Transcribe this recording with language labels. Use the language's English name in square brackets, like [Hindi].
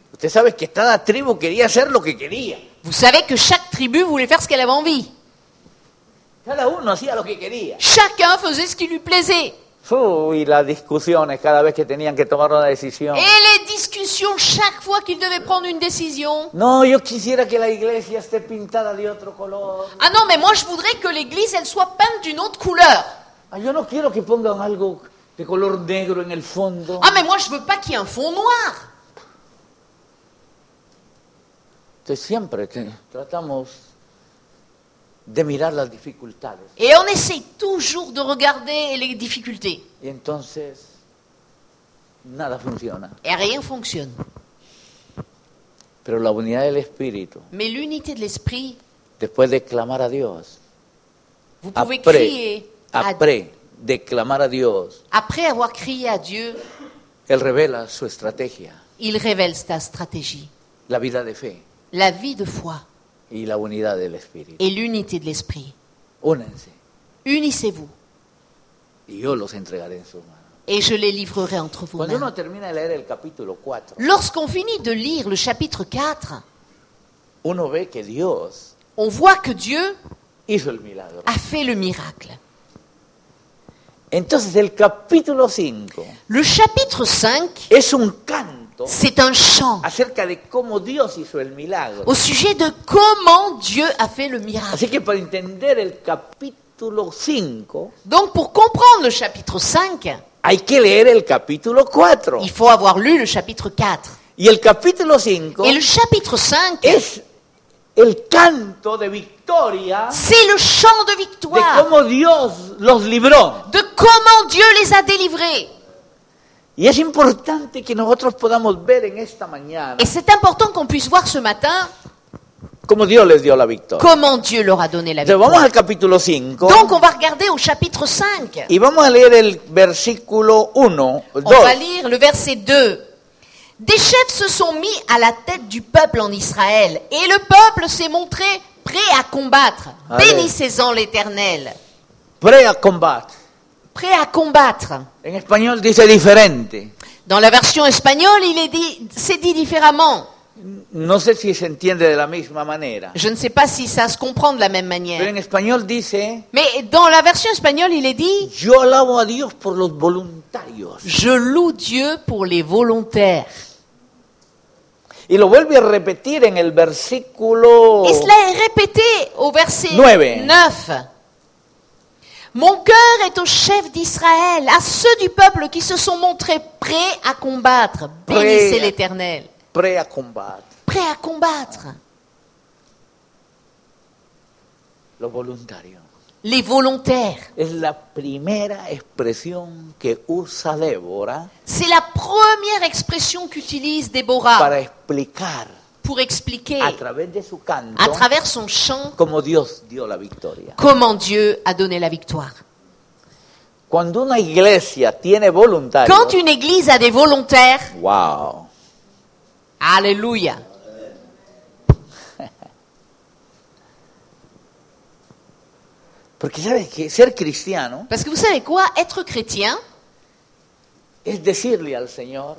[Spanish] Usted sabe que cada tribu quería hacer lo que quería. [French] Vous savez que chaque tribu voulait faire ce qu'elle avait envie. [Spanish] Cada uno hacía lo que quería. [French] Chacun faisait ce qui lui plaisait. [Spanish] Y las discusiones cada vez que tenían que tomar una decisión. [French] Et les discussions chaque fois qu'ils devaient prendre une décision. [Spanish] No, yo quisiera que la iglesia esté pintada de otro color. [French] Ah non, mais moi je voudrais que l'église elle soit peinte d'une autre couleur. [Spanish] Ah, yo no quiero que pongan algo de color negro en el fondo. [French] Ah, mais moi je veux pas qu'il y ait un fond noir. [Spanish] Entonces siempre tratamos de mirar las dificultades. [French] Et on essaie toujours de regarder les difficultés. [Spanish] Y entonces, nada funciona. [French] Et rien ne fonctionne. [Spanish] Pero la unidad del espíritu, [French] mais l'unité de l'esprit, [Spanish] después de clamar a Dios, [French] vous pouvez crier après [Spanish] de clamar a Dios, [French] après avoir crié à Dieu, [Spanish] él revela su estrategia. [French] Il révèle sa stratégie. [Spanish] La vida de fe. [French] La vie de foi. [Spanish] Y la unidad del espíritu. [French] Et l'unité de l'esprit. [Spanish] Únense. [French] Unissez-vous. [Spanish] Y yo los entregaré en sus manos. [French] Et je les livrerai entre vos [Spanish] Cuando [French] mains. [Spanish] Uno termina de leer el capítulo 4, [French] lorsqu'on finit de lire le chapitre 4, [Spanish] uno ve que Dios [French] on voit que Dieu [Spanish] hizo el milagro. [French] A fait le miracle. [Spanish] Entonces, el capítulo 5, [French] le chapitre 5 [Spanish] es un canto. [French] C'est un chant [Spanish] acerca de cómo Dios hizo el milagro. [French] Au sujet de comment Dieu a fait le miracle. [Spanish] Así que para entender el capítulo 5, [French] donc pour comprendre le chapitre 5, [Spanish] hay que leer el capítulo 4. [French] Il faut avoir lu le chapitre 4. [Spanish] Y el capítulo 5, [French] et le chapitre 5 [Spanish] es el canto de victoria. [French] C'est le chant de victoire. [Spanish] De cómo Dios los libró. [French] De comment Dieu les a délivrés. [Spanish] Y es importante que nosotros podamos ver en esta mañana. [French] Et c'est important qu'on puisse voir ce matin. Comment Dieu [Spanish] les dio la victoire. [French] Comment Dieu leur a donné la victoire. [Spanish] Entonces, vamos al capítulo 5. [French] Donc on va regarder au chapitre 5. [Spanish] Y vamos a leer el versículo 1, 2. [French] On va lire le verset 2. Des chefs se sont mis à la tête du peuple en Israël et le peuple s'est montré prêt à combattre. Bénissez-en l'Éternel. Prêt à combattre. Prêt à combattre. [Spanish] En español dice diferente. [French] Dans la version espagnole, il est dit, c'est dit différemment. [Spanish] No sé si se entiende de la misma manera. [French] Je ne sais pas si ça se comprend de la même manière. [Spanish] Pero en español dice, [French] mais dans la version espagnole, il est dit, [Spanish] yo alabo a Dios por los voluntarios. [French] Je loue Dieu pour les volontaires. [Spanish] Y lo vuelve a repetir en el versículo. [French] Et cela est répété au verset 9. Mon cœur est au chef d'Israël, à ceux du peuple qui se sont montrés prêts à combattre. Bénissez l'Éternel. Prêt à combattre. Prêt à combattre. [Spanish] Los voluntarios. [French] Les volontaires. [Spanish] Es la primera expresión que usa Débora. [French] C'est la première expression qu'utilise Débora. [Spanish] Para explicar. [French] Pour expliquer. [Spanish] A través de su canto. [French] À travers son chant. [Spanish] Como Dios dio la victoria. [French] Comment Dieu a donné la victoire. [Spanish] Cuando una iglesia tiene voluntarios. [French] Quand une église a des volontaires. Wow. Alléluia. [Spanish] Porque sabes que ser cristiano. [French] Parce que vous savez quoi, être chrétien. [Spanish] Es decirle al Señor.